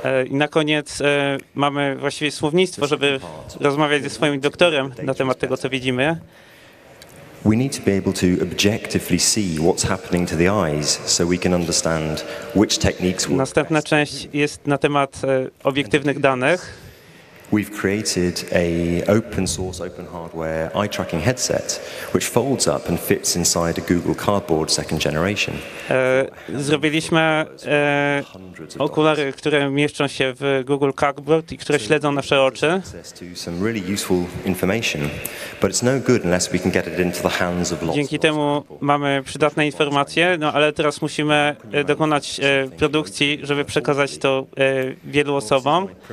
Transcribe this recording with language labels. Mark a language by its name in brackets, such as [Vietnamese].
[Polish] I na koniec mamy właściwie słownictwo, żeby rozmawiać ze swoim doktorem na temat tego, co widzimy. [English] We need to be able to objectively see what's happening to the eyes so we can understand which techniques work. [Polish] Następna część jest na temat obiektywnych danych. [English] We've created a open source, open hardware eye tracking headset, which folds up and fits inside a Google Cardboard second generation. [Polish] Zrobiliśmy okulary, które mieszczą się w Google Cardboard i które śledzą nasze oczy. [English] Some really useful information, but it's no good unless we can get it into the hands of lots. [Polish] Dzięki temu mamy przydatne informacje, no ale teraz musimy dokonać produkcji, żeby przekazać to wielu osobom.